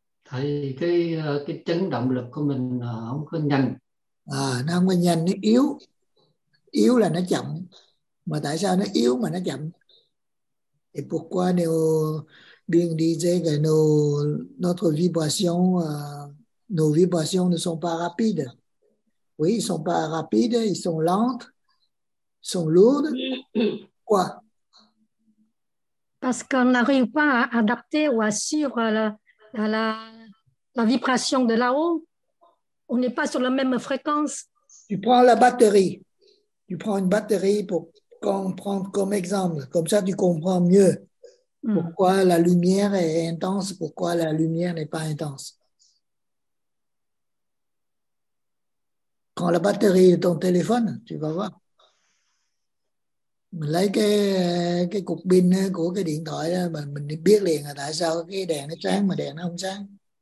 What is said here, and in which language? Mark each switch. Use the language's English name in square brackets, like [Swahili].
[Vietnamese] Thì cái chấn động lực của mình không có nhanh. À, nó không có nhanh, nó yếu. Yếu là nó chậm. Mà tại sao nó yếu mà nó chậm? [French] Et pourquoi Bien disait que nos vibrations ne sont pas rapides. Oui, ils ne sont pas rapides, ils sont lentes, ils sont lourdes. Pourquoi? Parce qu'on n'arrive pas à adapter ou à suivre la vibration de là-haut. On n'est pas sur la même fréquence. Tu prends la batterie. Tu prends une batterie pour prendre comme exemple. Comme ça, tu comprends mieux. Pourquoi la lumière est intense, pourquoi la lumière n'est pas intense. Prends la batterie de ton téléphone, tu vas voir. [Vietnamese] Mình lấy cái cục pin của cái điện thoại đó, mình biết liền là tại sao cái đèn nó sáng mà đèn nó không sáng.